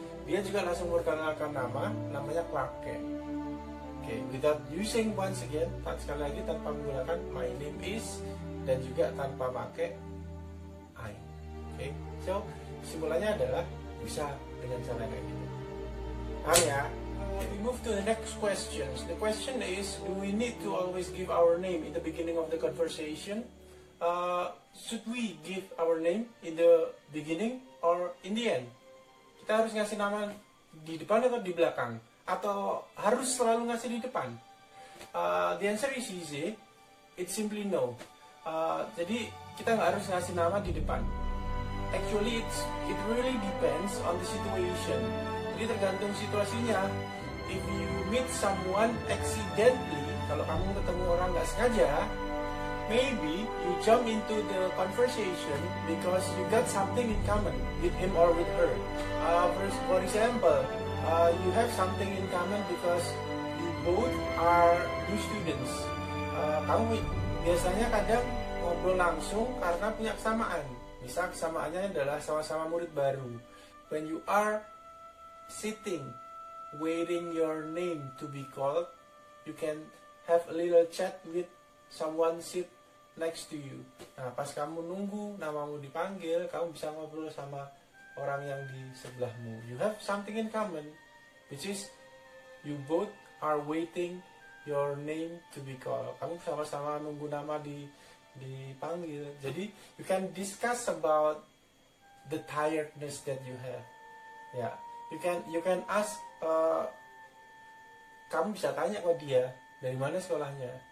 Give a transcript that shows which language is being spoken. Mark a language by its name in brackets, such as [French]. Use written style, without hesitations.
[Indonesian] Dia juga langsung memperkenalkan nama, namanya Clark Kent. [English] Okay, without using once again, [Indonesian] tak sekali lagi tanpa menggunakan my name is dan juga tanpa pakai I. Okay, so simpulannya adalah bisa dengan cara kayak gitu. [English] Nah ya, we move to the next questions. The question is, do we need to always give our name in the beginning of the conversation? Should we give our name in the beginning or in the end? [Indonesian] Kita harus ngasih nama di depan atau di belakang? Atau harus selalu ngasih di depan? [English] The answer is easy. It's simply no. [Indonesian] Jadi kita nggak harus ngasih nama di depan. [English] Actually, it really depends on the situation. [Indonesian] Jadi tergantung situasinya. [English] If you meet someone accidentally, [Indonesian] kalau kamu ketemu orang nggak sengaja, [English] maybe you jump into the conversation because you got something in common with him or with her. For example, you have something in common because you both are new students. [Indonesian] Kamu biasanya kadang ngobrol langsung karena punya kesamaan. Misal kesamaannya adalah sama-sama murid baru. [English] when you are sitting waiting your name to be called, you can have a little chat with someone sit next to you. [Indonesian] Nah, pas kamu nunggu namamu dipanggil, kamu bisa ngobrol sama orang yang di sebelahmu. [English] You have something in common, which is you both are waiting your name to be called. [Indonesian] Kamu sama-sama nunggu nama dipanggil. [English] Jadi you can discuss about the tiredness that you have. Yeah, you can ask. [Indonesian] Kamu bisa tanya ke dia, dari mana sekolahnya?